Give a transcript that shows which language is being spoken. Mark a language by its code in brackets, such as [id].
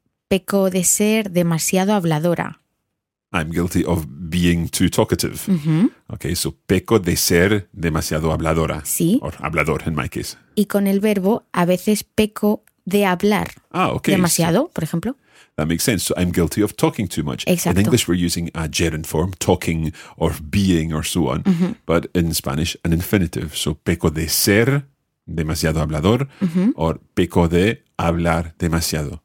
[es] Peco de ser demasiado habladora. [en] I'm guilty of being too talkative. Mm-hmm. Okay, so [es] peco de ser demasiado habladora. Sí. [en] Or hablador in my case. [es] Y con el verbo, a veces peco de hablar. [en] Ah, okay. [es] Demasiado, por ejemplo. [en] That makes sense. So I'm guilty of talking too much. [es] Exacto. [en] In English, we're using a gerund form, talking or being or so on. Mm-hmm. But in Spanish, an infinitive. [es] So peco de ser demasiado hablador mm-hmm. or peco de hablar demasiado.